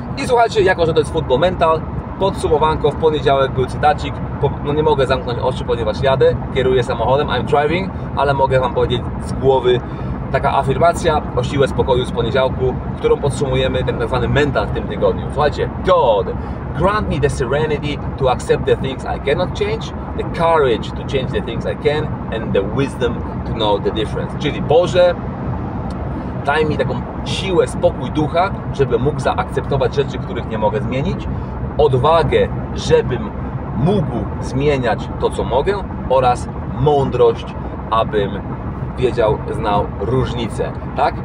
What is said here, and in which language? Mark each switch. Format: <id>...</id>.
<pl>I słuchajcie, jako że to jest football mental, podsumowanko, w poniedziałek był cytacik, no nie mogę zamknąć oczu, ponieważ jadę, kieruję samochodem,</pl> <en>I'm driving,</en> <pl>ale mogę Wam powiedzieć z głowy taka afirmacja o siłę spokoju z poniedziałku, którą podsumujemy ten tak zwany mental w tym tygodniu.</pl> <en>Słuchajcie, God, grant me the serenity to accept the things I cannot change, the courage to change the things I can and the wisdom to know the difference.</en> <pl>Czyli Boże, daj mi taką siłę, spokój ducha, żebym mógł zaakceptować rzeczy, których nie mogę zmienić, odwagę, żebym mógł zmieniać to, co mogę oraz mądrość, abym wiedział, znał różnicę. Tak?</pl>